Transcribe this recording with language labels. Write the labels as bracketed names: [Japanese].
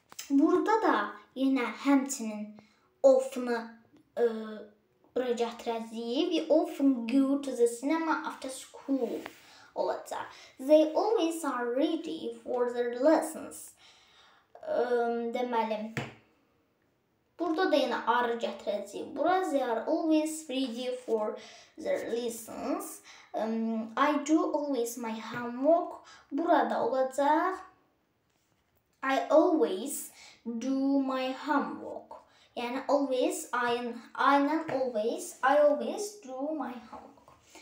[Azerbaijani] Burada da yenə həmçinin often-ı bura gətirəcəyik. [English] We often go to the cinema after school. [Azerbaijani] Olacaq. [English] They always are ready for their lessons. [Azerbaijani] Deməli burada da yenə arı gətirəcəyik. Bura [English] they are always ready for their lessons. I do always my homework. [Azerbaijani] Burada olacaq. [English] I always do my homework. Yəni always I always do my homework.